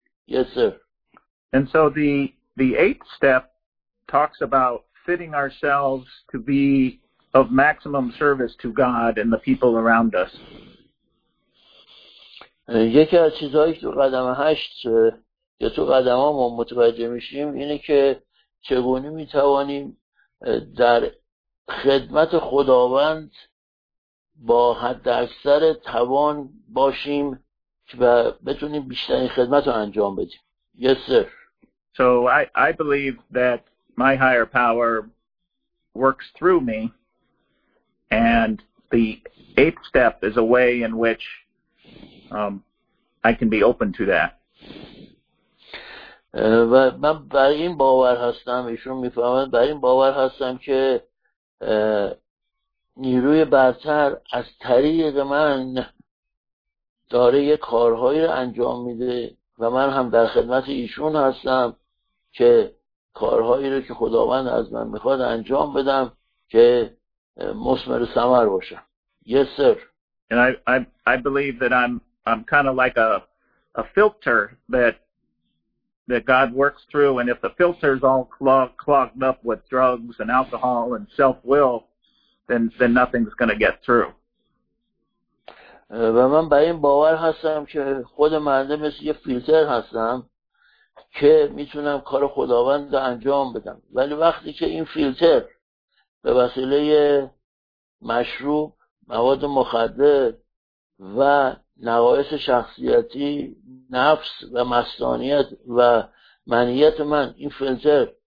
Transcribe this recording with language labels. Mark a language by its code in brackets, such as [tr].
[en] Yes, sir. And so the eighth step talks about fitting ourselves to be of maximum service to God and the people around us. [fa] یکی از چیزهایی که تو قدم هشت یا تو قدم ها ما متوجه میشیم اینه که چگونه میتوانیم در خدمت خداوند با حد اکثر توان باشیم و بتونیم بیشترین خدمت رو انجام بدیم. [en] Yes, sir. So I believe that my higher power works through me, and the eighth step is a way in which I can be open to that. [fa] من بر این باور هستم، ایشون میفهمند، بر این باور هستم که نیروی برتر از طریق من داره یه کارهایی رو انجام میده و من هم در خدمت ایشون هستم که کارهایی رو که خداوند از من میخواد انجام بدم که مثمر ثمر باشم. [en] Yes, sir. And I believe that I'm kind of like a filter that God works through, and if the filter's all clogged up with drugs and alcohol and self-will, then nothing's going to get through. [fa] و من به این باور هستم که خود من مثل یه فیلتر هستم که میتونم کار خداوند رو انجام بدم، ولی وقتی که این فیلتر به وسیله مشروب، مواد مخدر و نقایص شخصیتی، نفس و مستانیت و منیت من، این فیلتر